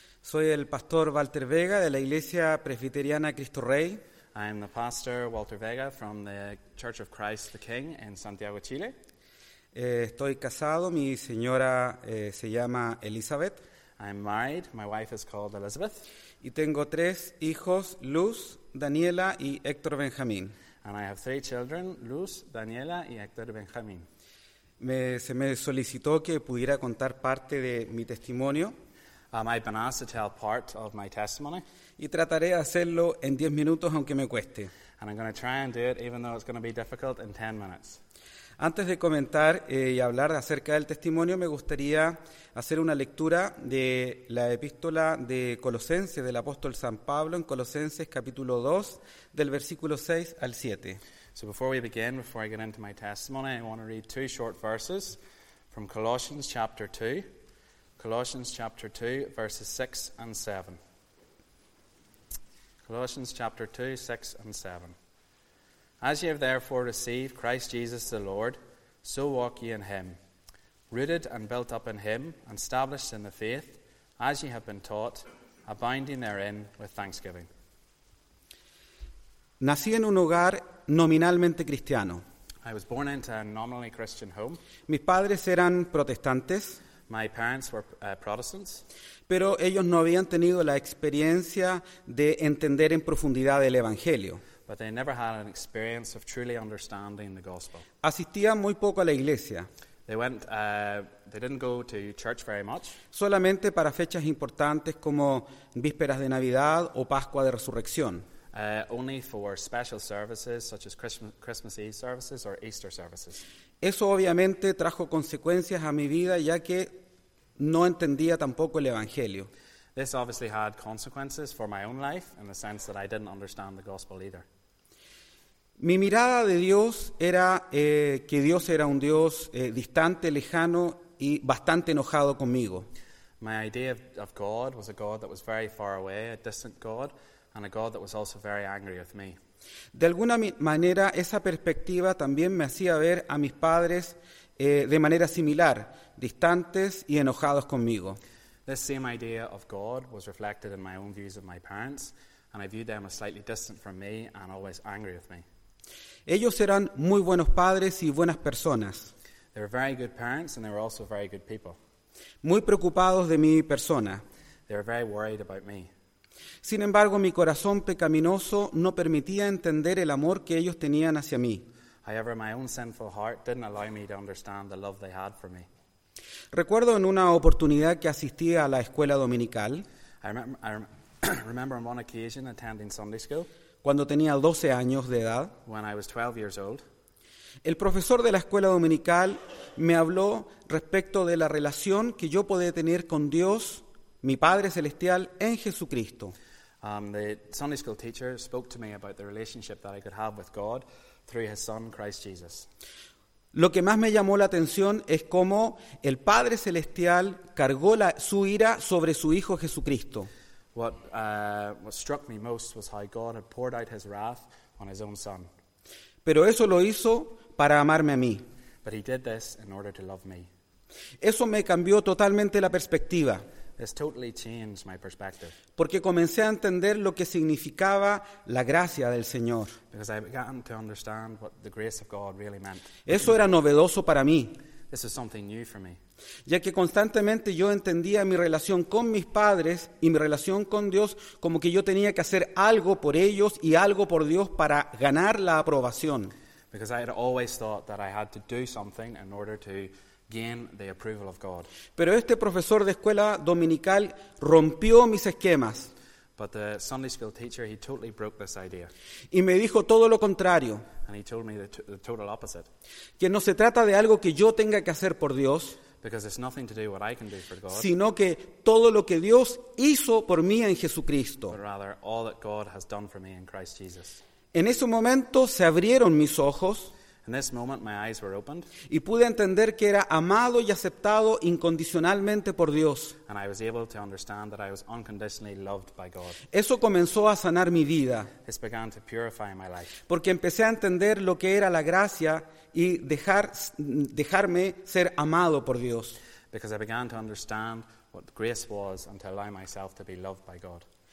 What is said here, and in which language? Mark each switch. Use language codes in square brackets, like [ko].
[es] Soy el pastor Walter Vega de la Iglesia Presbiteriana Cristo Rey. [en] I am the pastor Walter Vega from the Church of Christ the King in Santiago, Chile. [es] Estoy casado, mi señora se llama Elizabeth. [en] I'm married, my wife is called Elizabeth. [es] Y tengo tres hijos, Luz, Daniela y Héctor Benjamín. [en] And I have three children, Luz, Daniela y Héctor Benjamín. [es] Se me solicitó que pudiera contar parte de mi testimonio. [en] I've been asked to tell part of my testimony. [es] Y trataré de hacerlo en 10 minutos, aunque me cueste. [en] And I'm going to try and do it, even though it's going to be difficult, in 10 minutes. [es] Antes de comentar y hablar acerca del testimonio, me gustaría hacer una lectura de la epístola de Colosenses, del apóstol San Pablo, en Colosenses capítulo 2, del versículo 6 al 7. [en] So before we begin, before I get into my testimony, I want to read two short verses from Colossians chapter 2. Colossians chapter 2, verses 6 and 7. Colossians chapter 2, 6 and 7. As ye have therefore received Christ Jesus the Lord, so walk ye in him, rooted and built up in him, and established in the faith, as ye have been taught, abounding therein with thanksgiving. [es] Nací en un hogar nominalmente cristiano. [en] I was born into a nominally Christian home. [es] Mis padres eran protestantes. [en] My parents were Protestants. [es] Pero ellos no habían tenido la experiencia de entender en profundidad el Evangelio. [en] But they never had an experience of truly understanding the gospel. [es] Asistían muy poco a la iglesia. [en] They didn't go to church very much. [es] Solamente para fechas importantes como vísperas de Navidad o Pascua de Resurrección. [en] Only for special services such as Christmas Eve services or Easter services. [es] Eso obviamente trajo consecuencias a mi vida, ya que no entendía tampoco el Evangelio. [en] This obviously had consequences for my own life in the sense that I didn't understand the gospel either. [es] Mi mirada de Dios era que Dios era un Dios distante, lejano y bastante enojado conmigo. [en] My idea of God was a God that was very far away, a distant God, and a God that was also very angry with me. [es] De alguna manera, esa perspectiva también me hacía ver a mis padres de manera similar, distantes y enojados conmigo. [en] This same idea of God was reflected in my own views of my parents, and I viewed them as slightly distant from me and always angry with me. [es] Ellos eran muy buenos padres y buenas personas. [en] They were very good parents and they were also very good people. [es] Muy preocupados de mi persona. [en] They were very worried about me. [es] Sin embargo, mi corazón pecaminoso no permitía entender el amor que ellos tenían hacia mí. [en] However, my own sinful heart didn't allow me to understand the love they had for me. [es] Recuerdo en una oportunidad que asistí a la escuela dominical. [en] I remember on one occasion attending Sunday school. [es] Cuando tenía 12 años de edad. [en] When I was 12 years old. [es] El profesor de la escuela dominical me habló respecto de la relación que yo podía tener con Dios, mi Padre Celestial, en Jesucristo. [en] The Sunday school teacher spoke to me about the relationship that I could have with God through his son, Christ Jesus. [es] Lo que más me llamó la atención es cómo el Padre Celestial cargó su ira sobre su Hijo Jesucristo. [en] What struck me most was how God had poured out his wrath on his own son. [es] Pero eso lo hizo para amarme a mí. [en] But he did this in order to love me. [es] Eso me cambió totalmente la perspectiva. [en] This totally changed my perspective. [es] Porque comencé a entender lo que significaba la gracia del Señor. [en] Because I began to understand what the grace of God really meant. [es] Eso era novedoso para mí. [en] This is something new for me. [es] Ya que constantemente yo entendía mi relación con mis padres y mi relación con Dios como que yo tenía que hacer algo por ellos y algo por Dios para ganar la aprobación. [en] Because I had always thought that I had to do something in order to gain the approval of God. [es] Pero este profesor de escuela dominical rompió mis esquemas. [en] But the Sunday school teacher, he totally broke this idea. [es] Y me dijo todo lo contrario. [en] And he told me the total opposite. [es] Que no se trata de algo que yo tenga que hacer por Dios. [en] Because it's nothing to do what I can do for God. [es] Sino que todo lo que Dios hizo por mí en Jesucristo. [en] But rather, all that God has done for me in Christ Jesus. [es] En ese momento se abrieron mis ojos. [en] In this moment, my eyes were opened. [es] Y pude entender que era amado y aceptado incondicionalmente por Dios. [en] And I was able to understand that I was unconditionally loved by God. [es] Eso comenzó a sanar mi vida. [en] This began to purify my life. [es] Porque empecé a entender lo que era la gracia y dejarme ser amado por Dios. [en] Because I began to understand what grace was and to allow myself to be loved by God.